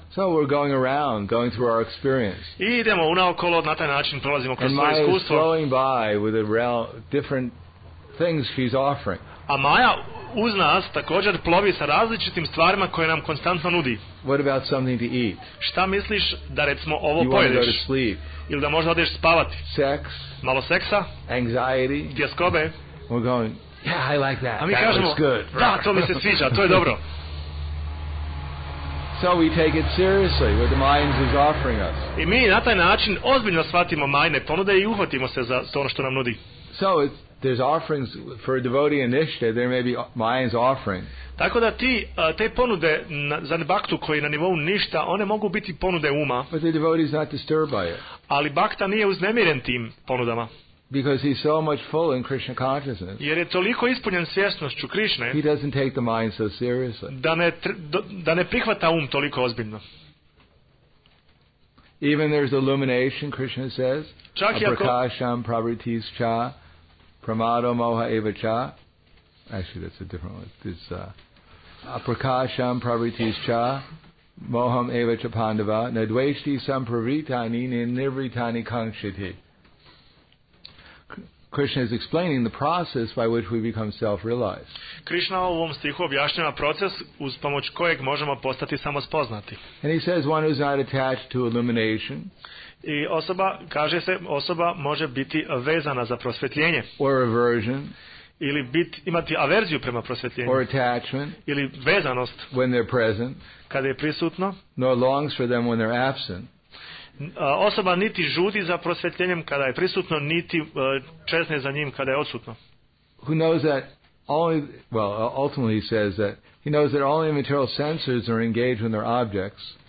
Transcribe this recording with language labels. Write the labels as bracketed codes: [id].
[en] So we're going around, going through our experience. [bs] I idemo unaokolo, na taj način prolazimo kroz svoje iskustvo. [en] And Maya is flowing by with a real different things she's offering. [bs] A Maya uz nas također plovi sa različitim stvarima koje nam konstantno nudi. [en] What about something to eat? [bs] Šta misliš da recimo ovo pojedeš? Ili da možda odeš spavati? [en] Sex. [bs] Malo seksa? [en] Anxiety. [bs] Tjeskobe. [en] We're going, yeah, I like that. [bs] A mi [en] that [bs] kažemo, [en] looks good. [bs] Da, to mi se sviđa, to je dobro. [en] So we take it seriously what the mind is offering us. [bs] I mi na taj način ozbiljno shvatimo majne ponude i uhvatimo se za to ono što nam nudi. [en] So there's offerings for a devotee in Nishta, there may be mind's offering. [bs] Tako da ti te ponude za bhaktu koji na nivou ništa, one mogu biti ponude uma. [en] But the devotee is not disturbed by it. [bs] Ali bhakta nije uznemiren tim ponudama. [en] Because he's so much full in Krishna consciousness. [bs] Jer je toliko ispunjen svjesnošću Krishne. [en] He doesn't take the mind so seriously. [bs] Da ne prihvata um toliko ozbiljno. [en] Even there's illumination, Krishna says. [sa] Aprakasham pravritis cha pramado moha eva cha. [en] Actually, that's a different one. It's [sa] aprakasham pravritis cha moham eva cha pandava nadveshti sampravritani nirvritani kangshiti. [en] Krishna is explaining the process by which we become self-realized. [bs] Krishna u ovom stihu objašnjava proces uz pomoć kojeg možemo postati samospoznati. [en] And he says one who is not attached to illumination. [bs] I osoba, kaže se, osoba može biti vezana za prosvjetljenje. [en] Or aversion. [bs] Ili biti, imati averziju prema prosvjetljenju. [en] Or attachment. [bs] Ili vezanost. [en] When they're present. [bs] Kada je prisutno. [en] Nor longs for them when they're absent. [bs] Osoba niti žudi za prosvjetljenjem kada je prisutno, niti čezne za njim kada je odsutno. [en] Who knows that only, well, ultimately he says that he knows that only material senses are engaged in their objects.